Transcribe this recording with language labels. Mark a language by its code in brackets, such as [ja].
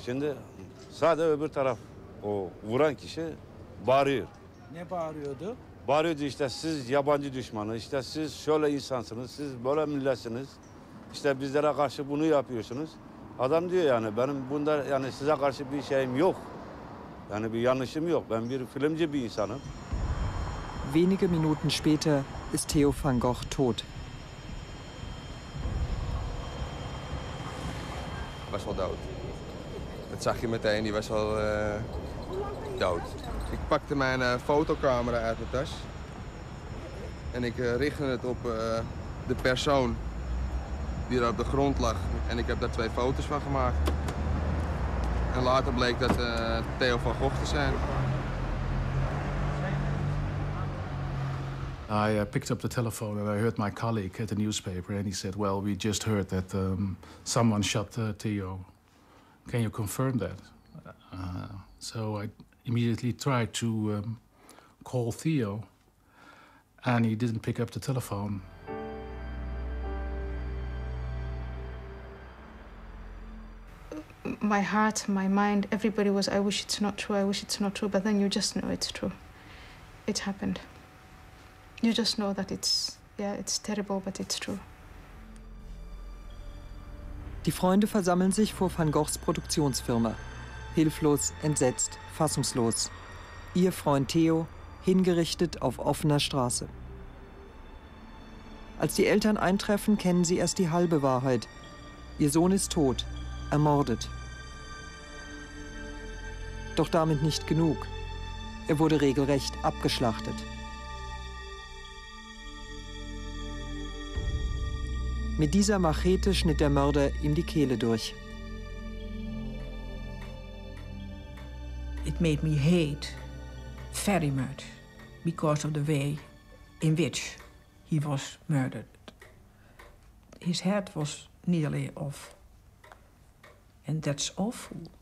[tr] Şimdi sadece öbür taraf, o vuran kişi bağırıyor. Ne bağırıyordu? Bağırıyordu işte siz yabancı düşmanı, işte siz şöyle insansınız, siz böyle milletsiniz. İşte bizlere karşı bunu yapıyorsunuz. Adam diyor yani benim bunda yani size karşı bir şeyim yok. Yani bir yanlışım yok. Ben bir filmci bir insanım. [de] Wenige Minuten später ist Theo van Gogh tot. [nl] Hij was wel dood. Dat zag je meteen, hij was wel dood. Ik pakte mijn fotocamera uit mijn tas en ik richtte het op de persoon die er op de grond lag. En ik heb daar twee foto's van gemaakt. En later bleek dat Theo van Gogh te zijn. [en] I picked up the telephone and I heard my colleague at the newspaper and he said, well, we just heard that someone shot Theo. Can you confirm that? So I immediately tried to call Theo and he didn't pick up the telephone. My heart, my mind, everybody was, I wish it's not true, I wish it's not true, but then you just know it's true. It happened. You just know that it's terrible, but it's true. [de] Die Freunde versammeln sich vor Van Goghs Produktionsfirma. Hilflos, entsetzt, fassungslos. Ihr Freund Theo, hingerichtet auf offener Straße. Als die Eltern eintreffen, kennen sie erst die halbe Wahrheit. Ihr Sohn ist tot, ermordet. Doch damit nicht genug. Er wurde regelrecht abgeschlachtet. Mit dieser Machete schnitt der Mörder ihm die Kehle durch. [en] It made me hate very much because of the way in which he was murdered. His head was nearly off. And that's awful.